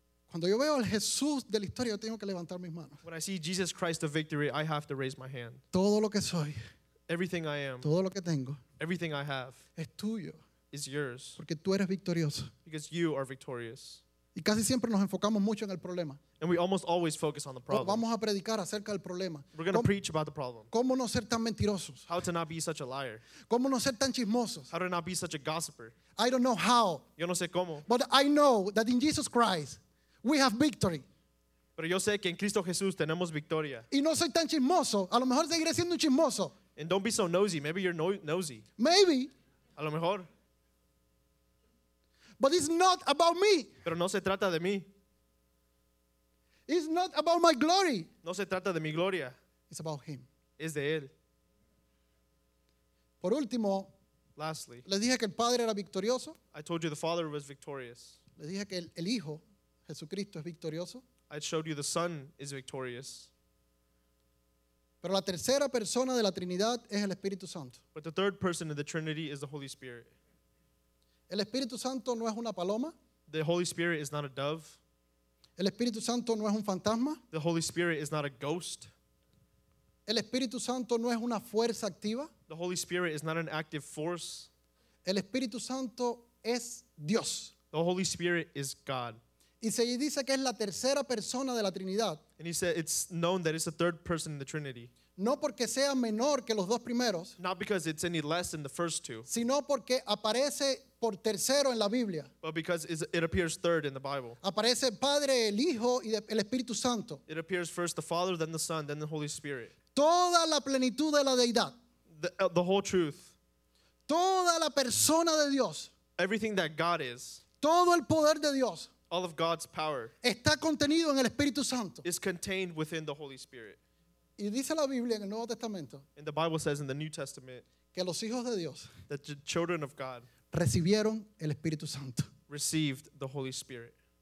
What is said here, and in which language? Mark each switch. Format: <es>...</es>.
<es>Cuando yo veo al Jesús de la historia, yo tengo que levantar mis manos.</es> <en>When I see Jesus Christ of victory, I have to raise my hand.</en> <es>Todo lo que soy.</es> <en>Everything I am.</en> <es>Todo lo que tengo.</es> <en>Everything I have.</en> <es>Es tuyo.</es> <en>Is yours.</en> <es>Porque tú eres victorioso.</es> <en>Because you are victorious.</en> <es>Y casi siempre nos enfocamos mucho en el problema.</es> <en>And we almost always focus on the problem.</en> <es>Vamos a predicar acerca del problema.</es> <en>We're going to preach about the problem.</en> <es>¿Cómo no ser tan mentirosos?</es> <en>How to not be such a liar.</en> <es>¿Cómo no ser tan chismosos?</es> <en>How to not be such a gossiper. I don't know how.</en> <es>Yo no sé cómo.</es> <en>But I know that in Jesus Christ, we have victory.</en> <es>Pero yo sé que en Cristo Jesús tenemos victoria. Y no soy tan chismoso. A lo mejor seguiré siendo un chismoso.</es> <en>And don't be so nosy. Maybe you're nosy. Maybe.</en> <es>A lo mejor.</es> <en>But it's not about me.</en> <es>Pero no se trata de mí.</es> <en>It's not about my glory.</en> <es>No se trata de mi gloria.</es> <en>It's about him.</en> <es>Es de él. Por último,</es> <en>lastly,</en> <es>le dije que el Padre era victorioso.</es> <en>I told you the Father was victorious.</en> <es>Le dije que el Hijo, Jesucristo, es victorioso.</es> <en>I showed you the Son is victorious.</en> <es>Pero la tercera persona de la Trinidad es el Espíritu Santo.</es> <en>But the third person of the Trinity is the Holy Spirit.</en> <es>El Espíritu Santo no es una paloma.</es> <en>The Holy Spirit is not a dove.</en> <es>El Espíritu Santo no es un fantasma.</es> <en>The Holy Spirit is not a ghost.</en> <es>El Espíritu Santo no es una fuerza activa.</es> <en>The Holy Spirit is not an active force.</en> <es>El Espíritu Santo es Dios.</es> <en>The Holy Spirit is God.</en> <es>Y se dice que es la tercera persona de la Trinidad.</es> <en>And he said it's known that it's the third person in the Trinity.</en> <es>No porque sea menor que los dos primeros.</es> <en>Not because it's any less than the first two.</en> <es>Sino porque aparece por tercero en la Biblia.</es> <en>But because it appears third in the Bible.</en> <es>Aparece el Padre, el Hijo y el Espíritu Santo.</es> <en>It appears first the Father, then the Son, then the Holy Spirit.</en> <es>Toda la plenitud de la deidad.</es> <en>The whole truth.</en> <es>Toda la persona de Dios.</es> <en>Everything that God is.</en> <es>Todo el poder de Dios.</es> <en>All of God's power.</en> <es>Está contenido en el Espíritu Santo.</es> <en>Is contained within the Holy Spirit.</en> <es>Y dice la Biblia en el Nuevo Testamento.</es> <en>And the Bible says in the New Testament.</en> <es>Que los hijos de Dios.</es> <en>That the children of God.</en> <es>Recibieron el Espíritu Santo.</es> <en>Received the Holy Spirit.</en>